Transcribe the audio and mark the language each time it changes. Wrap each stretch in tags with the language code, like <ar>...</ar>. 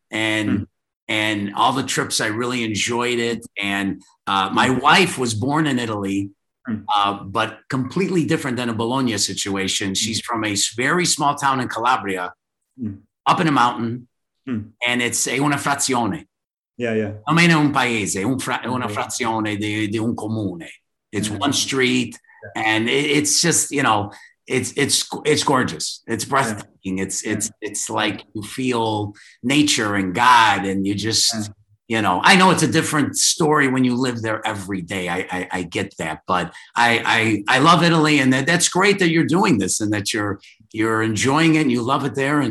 <en>And all the trips, I really enjoyed it. And my wife was born in Italy, but completely different than a Bologna situation. She's from a very small town in Calabria, up in a mountain, and it's</en> <it>una frazione.</it> <en>Yeah, yeah.</en> <it>Almeno un paese, una frazione di un comune.</it> <en>It's one street, and it's just, you know, it's gorgeous. It's breathtaking. Yeah. It's like you feel nature and God, and you just, you know, I know it's a different story when you live there every day. I get that, but I love Italy, and that's great that you're doing this and that you're enjoying it and you love it there.</en>